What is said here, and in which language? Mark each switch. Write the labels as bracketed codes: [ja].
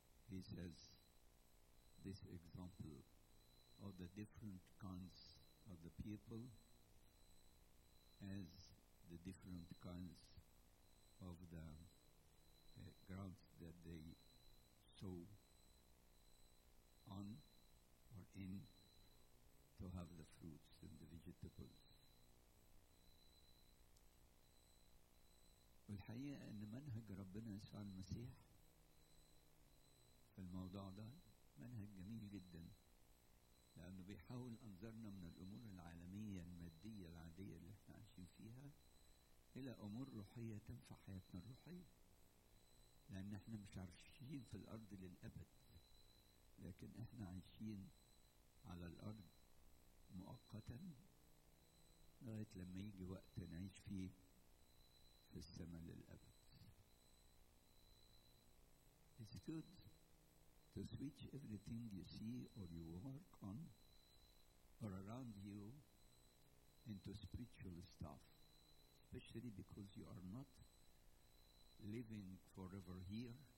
[en] He says, this example of the different kinds of the people as the different kinds of the grounds that they sow on or in to have the fruits and the vegetables. [ar] والحقيقة أن منهج ربنا يسوع المسيح في الموضوع ده منهج جميل جدا لأنه بيحاول أنظرنا من الأمور العالمية المادية العادية اللي احنا عايشين فيها إلى أمور روحية تنفع حياتنا الروحية لأن احنا مش عايشين في الأرض للأبد لكن احنا عايشين على الأرض مؤقتا لغاية لما يجي وقت نعيش فيه في السماء للأبد. [en] It's good to switch everything you see or you work on or around you into spiritual stuff, especially because you are not living forever here.